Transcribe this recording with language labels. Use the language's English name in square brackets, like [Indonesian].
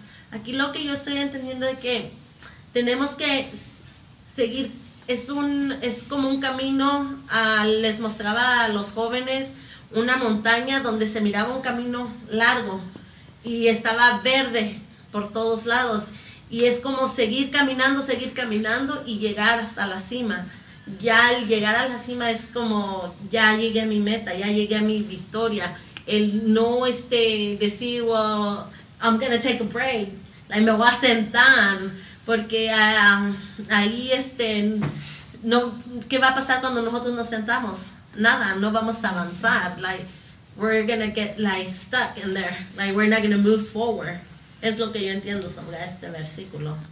[Spanish] Aquí lo que yo estoy entendiendo es que tenemos que seguir, es como un camino, les mostraba a los jóvenes una montaña donde se miraba un camino largo y estaba verde por todos lados. Y es como seguir caminando y llegar hasta la cima. Ya al llegar a la cima es como, ya llegué a mi meta, ya llegué a mi victoria. El no decir, [English] well, I'm going to take a break. [Spanish] Like, me voy a sentar, porque ahí no, ¿qué va a pasar cuando nosotros nos sentamos? Nada, no vamos a avanzar. [English] Like, we're going to get, like, stuck in there. Like, we're not going to move forward. [Spanish] Es lo que yo entiendo sobre este versículo.